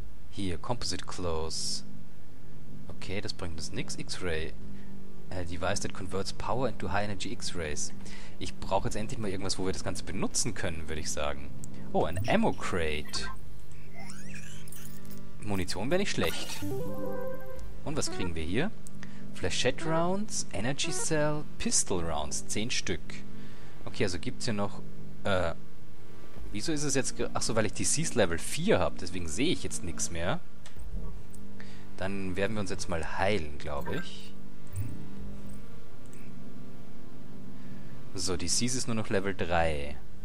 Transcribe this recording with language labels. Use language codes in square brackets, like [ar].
[de] Hier, Composite Clothes. Okay, das bringt uns nichts. [en] X-Ray. Device that converts power into high energy X-Rays. [de] Ich brauche jetzt endlich mal irgendwas, wo wir das Ganze benutzen können, würde ich sagen. Oh, ein Ammo Crate. Munition wäre nicht schlecht. Und was kriegen wir hier? [en] Flashette Rounds, Energy Cell, Pistol Rounds. [de] 10 Stück. Okay, also gibt es hier noch. Wieso ist es jetzt. Achso, weil ich Disease Level 4 habe. Deswegen sehe ich jetzt nichts mehr. Dann werden wir uns jetzt mal heilen, glaube ich. So, die Disease ist nur noch Level 3.